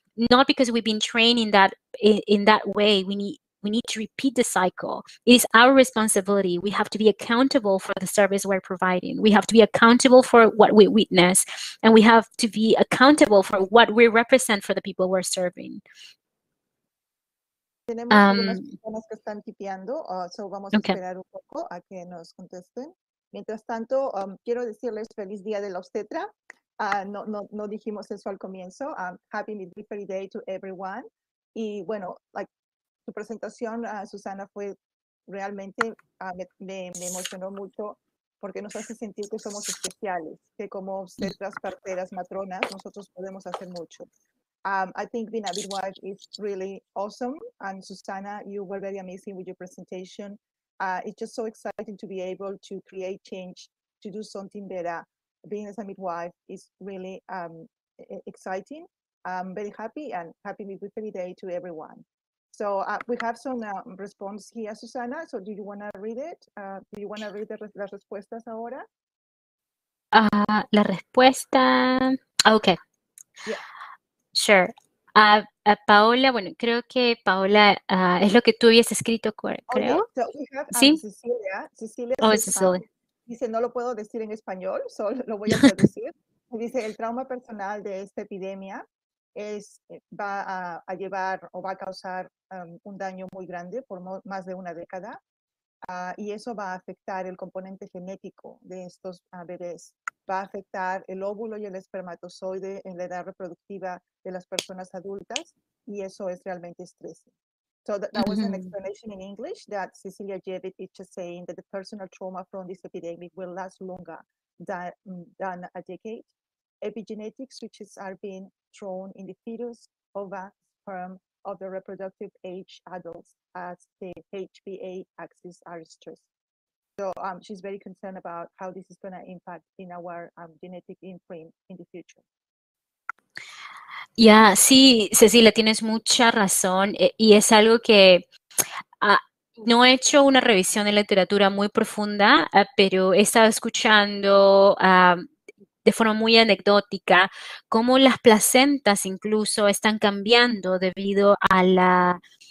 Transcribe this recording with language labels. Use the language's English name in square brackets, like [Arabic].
[English] Not because we've been trained in that way. We need to repeat the cycle. It is our responsibility. We have to be accountable for the service we're providing. We have to be accountable for what we witness, and we have to be accountable for what we represent for the people we're serving. [Spanish] Tenemos algunas personas que están tipeando, so vamos a esperar un poco a que nos contesten. Mientras tanto, quiero decirles feliz día de la obstetra. No dijimos eso al comienzo. [English] Happy Midwifery Day to everyone. [Spanish] Y bueno, like, tu presentación, Susana, fue realmente, me emocionó mucho porque nos hace sentir que somos especiales, que como obstetras, parteras, matronas, nosotros podemos hacer mucho. [English] I think being a midwife is really awesome. And Susana, you were very amazing with your presentation. It's just so exciting to be able to create change, to do something better. Being as a midwife is really exciting. I'm very happy and happy midwifery day to everyone. So we have some response here, Susana. So do you want to read it? Do you want to read [Spanish] las respuestas ahora? La respuesta. Okay. [English] Yeah. Sure. [Spanish] A Paola, bueno, creo que Paola es lo que tú habías escrito, creo. [English] Okay. So we have, [Spanish] ¿sí? Cecilia. Oh, Cecilia. Dice, no lo puedo decir en español, solo lo voy a traducir. Dice, el trauma personal de esta epidemia va a llevar o va a causar un daño muy grande por más de una década. Y eso va a afectar el componente genético de estos bebés. Va a afectar el óvulo y el espermatozoide en la edad reproductiva de las personas adultas, y eso es realmente estrés. [English] So that was an explanation in English that Cecilia Jevitt is just saying that the personal trauma from this epidemic will last longer than a decade. Epigenetic switches are being thrown in the fetus, ova, sperm of the reproductive age adults as the HPA axis are stressed. So she's very concerned about how this is going to impact in our genetic imprint in the future. [Spanish] Yeah, sí, Cecilia, tienes mucha razón. Y es algo que no he hecho una revisión de literatura muy profunda, pero he estado escuchando de forma muy anecdótica cómo las placentas incluso están cambiando debido a la...